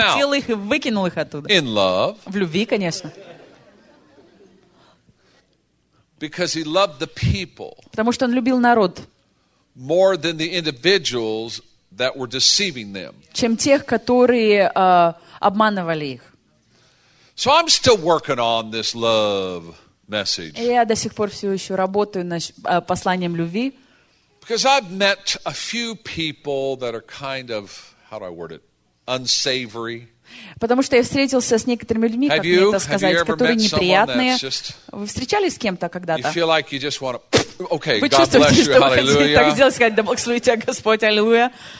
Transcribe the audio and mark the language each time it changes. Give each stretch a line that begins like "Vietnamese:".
Russian: Схватил их и выкинул их оттуда.
English: In love.
Russian: В любви, конечно.
English: Because he loved the people.
Russian: Потому что он любил народ.
English: More than the individuals that were deceiving them.
Russian: Чем тех, которые обманывали их.
English: So I'm still working on this love message.
Russian: Я до сих пор все еще работаю над посланием любви.
English: Because I've met a few people that are kind of, how do I word it, unsavory.
Russian: Потому что я встретился с некоторыми людьми, как мне это сказать, которые неприятные. Вы встречались с кем-то когда-то?
English: You feel like you just want to, okay, God bless you, hallelujah.
Russian: Вы чувствуете, что вы хотите так сделать, сказать, да благослови тебя Господь, аллилуйя.